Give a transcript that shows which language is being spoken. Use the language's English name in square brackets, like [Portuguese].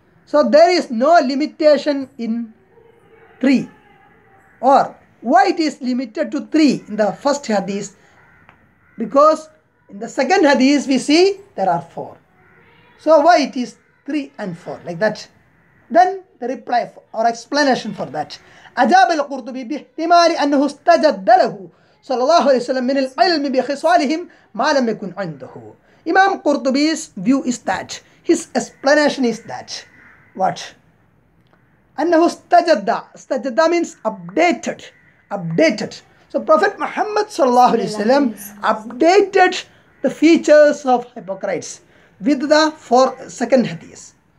[English] So there is no limitation in three. Or why it is limited to three in the first hadith? Because in the second hadith we see there are four. So why it is three and four like that? Then the reply or explanation for that. [Arabic] أجاب القرطبي باحتمال أنه استجد له صلى الله عليه وسلم من العلم بخصالهم ما لم يكن عنده. [English] Imam Qurtubi's view is that, his explanation is that, what? [Arabic] أنه استجد. استجد [English] means updated. Updated. So Prophet Muhammad [Arabic] صلى الله عليه وسلم [English] updated the features of hypocrites with the four second hadith.